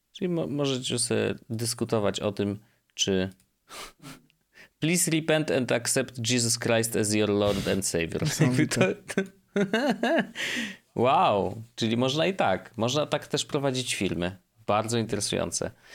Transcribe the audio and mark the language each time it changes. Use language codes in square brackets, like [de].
[pl] Czyli możecie sobie dyskutować o tym, czy... [en] Please repent and accept Jesus Christ as your Lord and Savior. [pl] Wow, czyli można i tak. Można tak też prowadzić filmy. Bardzo interesujące.